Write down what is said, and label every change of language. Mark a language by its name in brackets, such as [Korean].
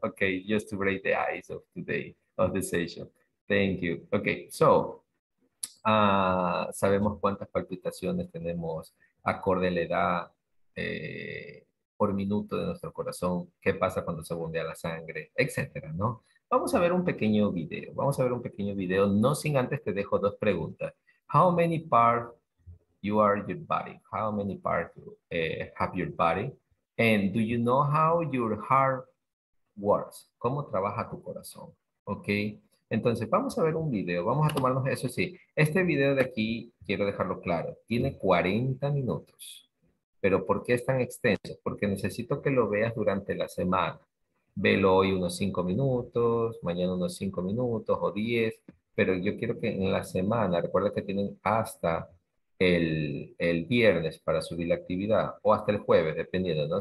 [English] Ok, just to break the ice of today, of the session. Thank you. [Spanish] Ok, so, sabemos cuántas palpitaciones tenemos acorde a la edad por minuto de nuestro corazón. ¿Qué pasa cuando se bombea la sangre? Etcétera, ¿no? Vamos a ver un pequeño video. Vamos a ver un pequeño video. No sin antes te dejo dos preguntas. [English] How many parts you are your body? How many parts have your body? And do you know how your heart works? [Spanish] ¿Cómo trabaja tu corazón? ¿Ok? Entonces, vamos a ver un video. Vamos a tomarnos eso. Sí, este video de aquí, quiero dejarlo claro, tiene 40 minutos. ¿Pero por qué es tan extenso? Porque necesito que lo veas durante la semana. Velo hoy unos 5 minutos, mañana unos 5 minutos o 10, pero yo quiero que en la semana, recuerda que tienen hasta el viernes para subir la actividad, o hasta el jueves, dependiendo, ¿no?